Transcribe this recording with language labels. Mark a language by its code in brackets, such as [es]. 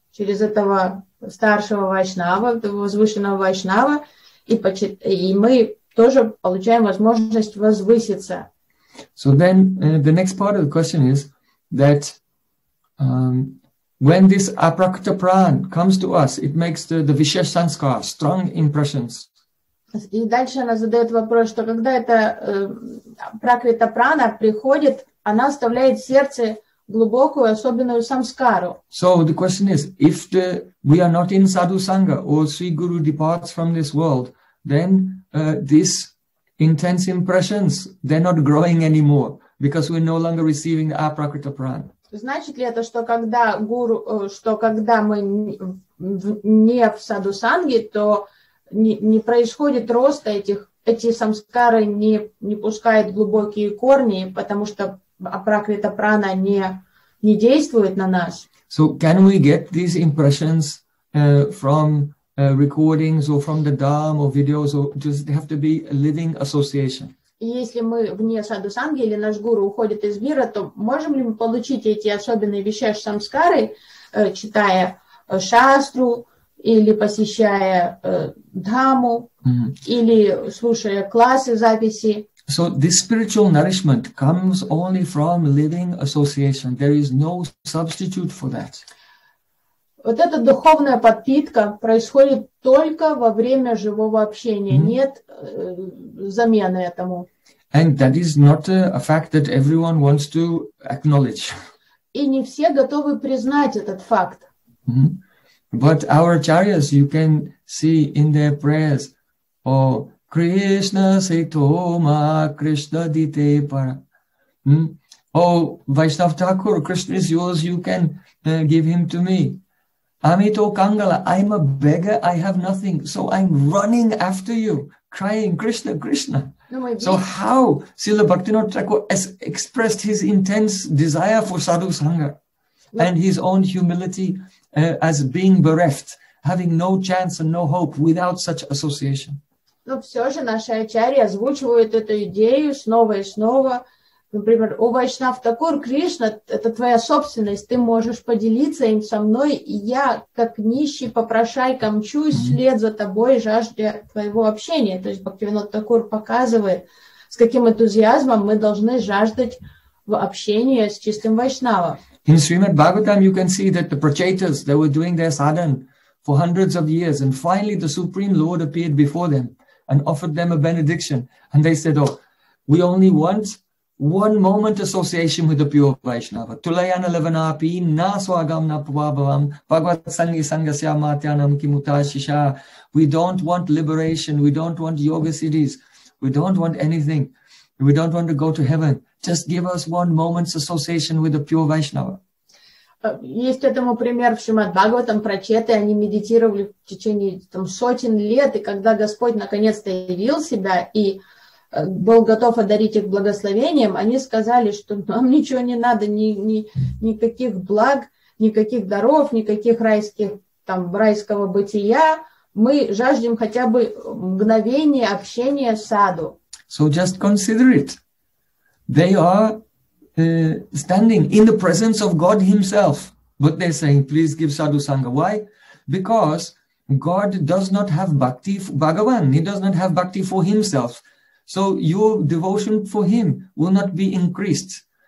[ru] Через этого старшего вайшнава, возвышенного вайшнава, и мы тоже получаем возможность возвыситься. [en] So then the next part of the question is that when this aprakta pran comes to us, it makes the vishesh sanskar, strong impressions. [ru] И дальше она задает вопрос, что когда эта пракрита прана приходит, она оставляет в сердце глубокую, особенную самскару. [en] So the question is, if the, we are not in sadhu sangha or Sri Guru departs from this world, then these intense impressions, they're not growing anymore because we're no longer receiving the aprakrita pran. [ru] Значит ли это, что когда гуру, что когда мы не в sadhu sangha, то не происходит роста этих, эти самскары не пускают глубокие корни, потому что апракрита прана не действует на нас. [en] So can we get these impressions from recordings or from the dharma or videos or does it have to be a living association? [ru] Если мы вне саду санги или наш гуру уходит из мира, то можем ли мы получить эти особенные вещи самскары, читая шастру или посещая дхаму, mm-hmm. или слушая классы, записи? [en] So this spiritual nourishment comes only from living association. There is no substitute for that. [ru] Вот эта духовная подпитка происходит только во время живого общения. Mm-hmm. Нет замены этому. [en] And that is not a fact that everyone wants to acknowledge. [ru] И не все готовы признать этот факт. Mm-hmm. [en] But our acharyas, you can see in their prayers, oh, [bn] Krishna Saitoma Krishna Dite Para. [en] Hmm? Oh, Vaishnav Thakur, Krishna is yours, you can give him to me. [bn] Amito Kangala, [en] I'm a beggar, I have nothing. So I'm running after you, crying, Krishna, Krishna. So how Srila Bhaktivinoda Thakur has expressed his intense desire for sadhu sangha and his own humility as being bereft, having no chance and no hope without such association. [ru] Но все же наши ачарьи озвучивают эту идею снова и снова, Например, о Вайшнав Такур, Кришна, это твоя собственность, ты можешь поделиться им со мной, и я, как нищий попрошайка, мчусь вслед за тобой, жажда твоего общения. То есть Бхактивинод Такур показывает, с каким энтузиазмом мы должны жаждать в общении с чистым Вайшнавом. [en] In Srimad Bhagavatam, you can see that the Prachaitas, they were doing their sadhan for hundreds of years, and finally the Supreme Lord appeared before them and offered them a benediction. And they said, oh, we only want one moment association with the pure Vaishnava. [sa] Tulayana levana api na swagam na pavabhavam bhagavat sangi sangasya matyanam kimutashisha. [en] We don't want liberation. We don't want yoga siddhis. We don't want anything. We don't want to go to heaven. Just give us one moment's association with the pure Vaishnava. [ru] Есть этому пример в Шримад Бхагаватам прочеты, они медитировали в течение там, сотен лет, и когда Господь наконец-то явил себя и был готов одарить их благословением, они сказали, что нам ничего не надо, никаких благ, никаких даров, никаких райских, там, райского бытия, мы жаждем хотя бы мгновения общения с саду. [en] So just consider it. They are standing in the presence of God Himself. But they're saying, please give Sadhu Sangha. Why? Because God does not have bhakti for Bhagavan. He does not have bhakti for Himself. So your devotion for Him will not be increased.